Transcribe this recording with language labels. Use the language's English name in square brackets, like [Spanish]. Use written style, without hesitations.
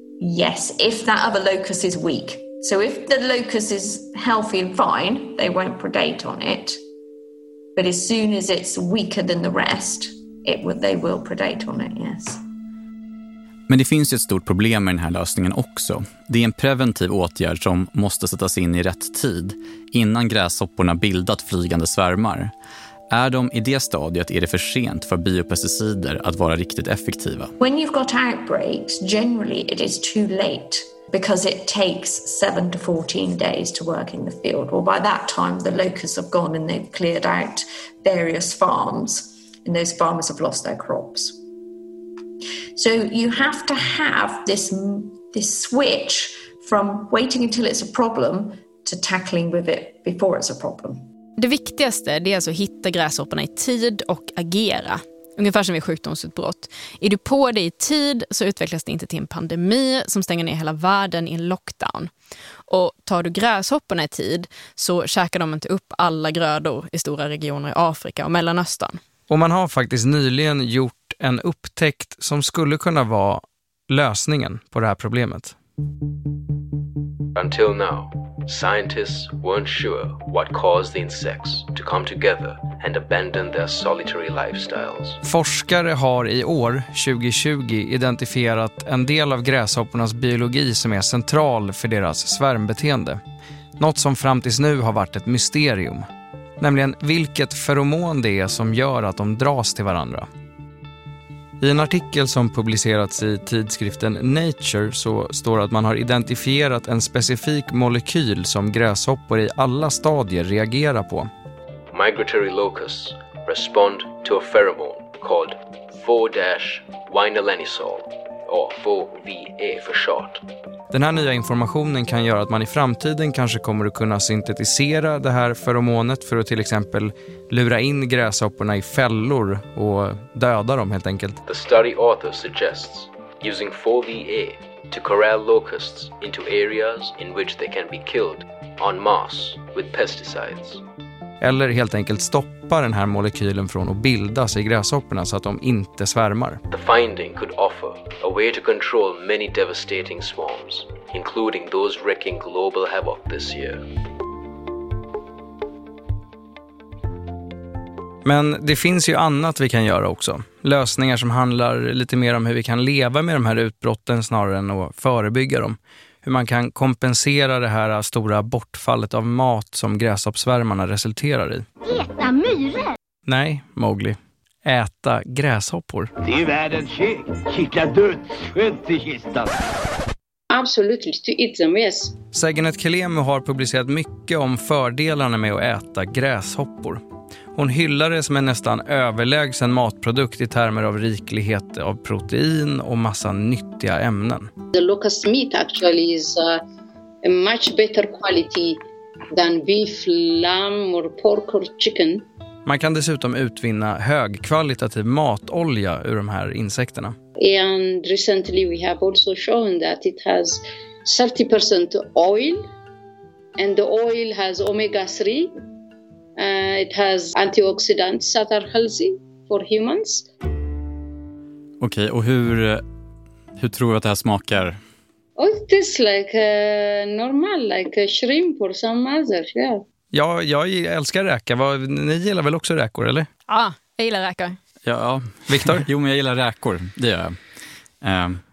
[English] Yes, if that other locust is weak. So if the locust is healthy and fine, they won't predate on it. But as soon as it's weaker than the rest, they will predate on it, yes. [Swedish] Men det finns ju ett stort problem med den här lösningen också. Det är en preventiv åtgärd som måste sättas in i rätt tid, innan gräshopporna bildat flygande svärmar. Är de i det stadiet är det för sent för biopesticider att vara riktigt effektiva. [English] When you've got outbreaks, generally it is too late. Because it takes 7 to 14 days to work in the field. Well, by that time, the locusts have gone and they've cleared out various farms. And those farmers have lost their crops. So you have to have this switch from waiting until it's a problem to tackling with it before it's a problem. [Swedish] Det viktigaste är alltså att hitta gräshopparna i tid och agera. Ungefär som vid sjukdomsutbrott. Är du på det i tid så utvecklas det inte till en pandemi som stänger ner hela världen i en lockdown. Och tar du gräshopporna i tid så käkar de inte upp alla grödor i stora regioner i Afrika och Mellanöstern. Och man har faktiskt nyligen gjort en upptäckt som skulle kunna vara lösningen på det här problemet. [English] Until now, scientists weren't sure what caused the insects to come together and abandon their solitary lifestyles. [Swedish] Forskare har i år, 2020, identifierat en del av gräshoppornas biologi som är central för deras svärmbeteende. Något som fram tills nu har varit ett mysterium. Nämligen vilket feromon det är som gör att de dras till varandra. I en artikel som publicerats i tidskriften Nature så står att man har identifierat en specifik molekyl som gräshoppor i alla stadier reagerar på. [English] Migratory locusts respond to a pheromone called 4-vinylenisol, or 4-VA for short. [Swedish] Den här nya informationen kan göra att man i framtiden kanske kommer att kunna syntetisera det här feromonet för att till exempel lura in gräshopporna i fällor och döda dem helt enkelt. [English] The study author suggests using 4-VA to corral locusts into areas in which they can be killed en masse with pesticides. [Swedish] Eller helt enkelt stoppa den här molekylen från att bildas i gräshopporna så att de inte svärmar. [English] The finding could offer a way to control many devastating swarms, including those wreaking global havoc this year. [Swedish] Men det finns ju annat vi kan göra också. Lösningar som handlar lite mer om hur vi kan leva med de här utbrotten snarare än att förebygga dem. Hur man kan kompensera det här stora bortfallet av mat som gräshoppsvärmarna resulterar i. Äta myror? Nej, Mowgli. äta gräshoppor. Det är världens kika dödsskönt i kistan. [English] Absolut, to eat them, yes. [Swedish] Saginet Kelemu har publicerat mycket om fördelarna med att äta gräshoppor. Hon hyllar det som en nästan överlägsen matprodukt i termer av riklighet av protein och massa nyttiga ämnen. [English] The locust meat actually is a much better quality than beef, lamb or pork or chicken. [Swedish] Man kan dessutom utvinna högkvalitativ matolja ur de här insekterna. [English] And recently we have also shown that it has 30% oil and the oil has omega 3. It has antioxidants that are healthy for humans. [Swedish] Okej, och hur tror du att det här smakar? [English] Oh, it tastes like normal, like shrimp or some other, yeah. [Swedish] Ja, jag älskar räka. Ni gillar väl också räkor, eller? Ja, jag gillar räkor. Ja, ja. Viktor? Jo, men jag gillar räkor, det gör jag.